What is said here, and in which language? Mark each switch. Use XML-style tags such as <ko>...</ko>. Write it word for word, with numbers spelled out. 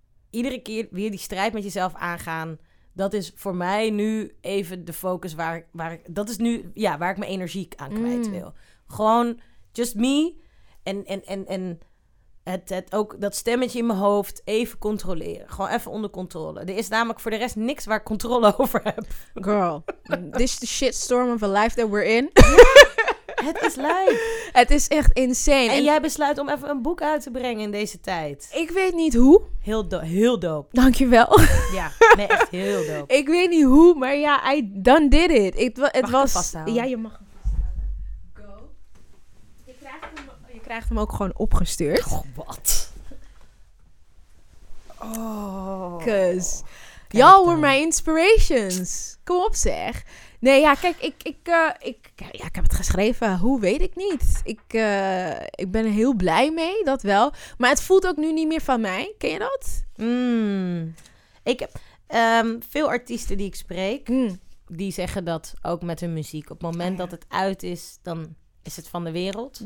<nl>Iedere keer weer die strijd met jezelf aangaan. Dat is voor mij nu even de focus waar, waar ik... Dat is nu ja, waar ik mijn energie aan kwijt wil. Mm. Gewoon</nl> <en>just me.</en> <nl>En, en, en, en het, het ook dat stemmetje in mijn hoofd even controleren. Gewoon even onder controle. Er is namelijk voor de rest niks waar ik controle over heb.</nl> <en>Girl, this is the shitstorm of a life that we're in.</en> <nl>Het is lijp. Het is echt insane. En, en jij besluit om even een boek uit te brengen in deze tijd. Ik weet niet hoe. Heel, do- heel dope. Dankjewel. Ja, nee, echt heel dope. Ik weet niet hoe, maar ja,</nl> <en>I done did it.</en> <nl>Ik, het mag was, ik vasthouden? Ja, je mag hem vasthouden. Go. Je krijgt hem, je krijgt hem ook gewoon opgestuurd. Oh, wat? Oh.</nl> <en>Cause y'all were my inspirations.</en> <nl>Kom op, zeg. Nee, ja, kijk, ik, ik, uh, ik, ja, ik heb het geschreven. Hoe, weet ik niet. Ik, uh, ik ben er heel blij mee, dat wel. Maar het voelt ook nu niet meer van mij. Ken je dat? Mm. Ik heb um, veel artiesten die ik spreek, mm. die zeggen dat ook met hun muziek. Op het moment dat het uit is, dan is het van de wereld.</nl>